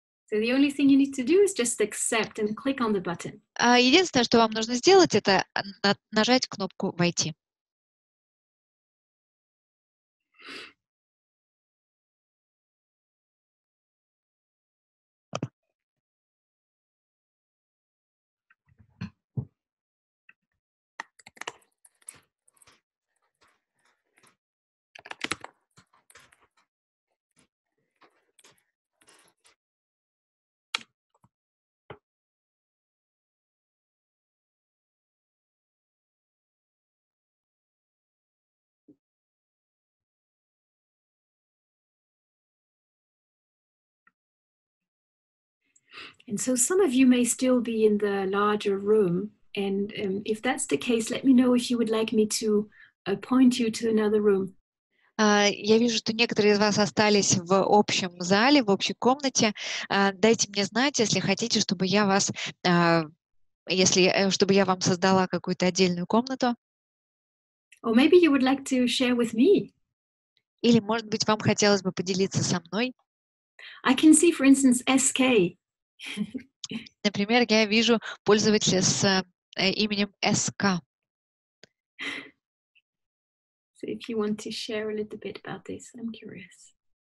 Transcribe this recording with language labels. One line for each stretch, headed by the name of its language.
English: So the only thing you need to do is just accept and click on the button.
Russian: Единственное, что вам нужно сделать, это нажать кнопку «Войти».
English: And so some of you may still be in the larger room, and if that's the case, let me know if you would like me to point you to another room.
Russian: Я вижу, что некоторые из вас остались в общем зале, в общей комнате. Дайте мне знать, если хотите, чтобы я вас, чтобы я вам создала какую-то отдельную комнату.
English: Or maybe you would like to share with me.
Russian: Или, может быть, вам хотелось бы поделиться со мной.
English: I can see, for instance, SK.
Russian: Например, я вижу пользователя с именем СК.
English: So if you want to share a little bit about this, I'm curious.